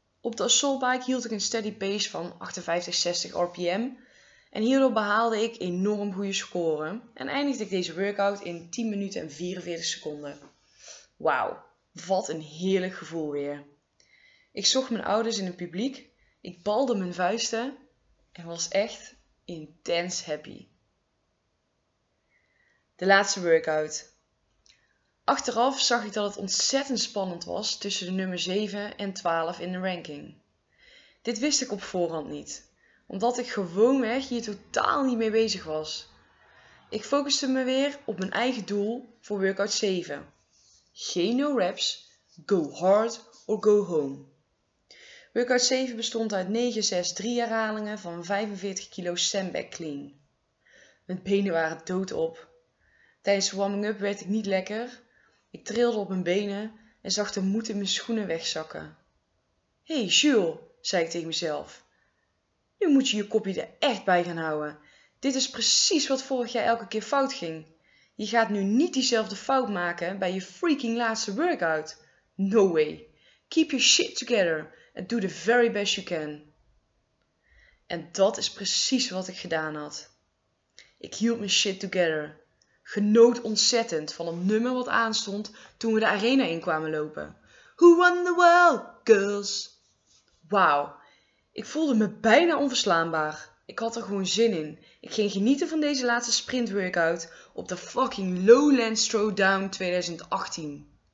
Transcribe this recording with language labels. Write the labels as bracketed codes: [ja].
[nl] Op de assault bike hield ik een steady pace van 58-60 RPM. En hierdoor behaalde ik enorm goede scoren. En eindigde ik deze workout in 10 minuten en 44 seconden. Wauw, wat een heerlijk gevoel weer. Ik zocht mijn ouders in het publiek. Ik balde mijn vuisten. En was echt intens happy. De laatste workout. Achteraf zag ik dat het ontzettend spannend was tussen de nummer 7 en 12 in de ranking. Dit wist ik op voorhand niet, omdat ik gewoonweg hier totaal niet mee bezig was. Ik focuste me weer op mijn eigen doel voor workout 7. [en] Geen no reps, go hard or go home. [nl] Workout 7 bestond uit 9, 6, 3 herhalingen van 45 kilo sandbag clean. Mijn benen waren dood op. Tijdens de warming-up werd ik niet lekker. Ik trilde op mijn benen en zag de moed in mijn schoenen wegzakken. Hey Jules, zei ik tegen mezelf. Nu moet je je kopje er echt bij gaan houden. Dit is precies wat vorig jaar elke keer fout ging. Je gaat nu niet diezelfde fout maken bij je freaking laatste workout. [en] No way. Keep your shit together and do the very best you can. [nl] En dat is precies wat ik gedaan had. Ik hield mijn [en] shit together. [nl] Genoot ontzettend van het nummer wat aanstond toen we de arena in kwamen lopen. [en] Who won the world, girls? [nl] Wauw, ik voelde me bijna onverslaanbaar. Ik had er gewoon zin in. Ik ging genieten van deze laatste sprintworkout op de fucking Lowlands Throwdown 2018.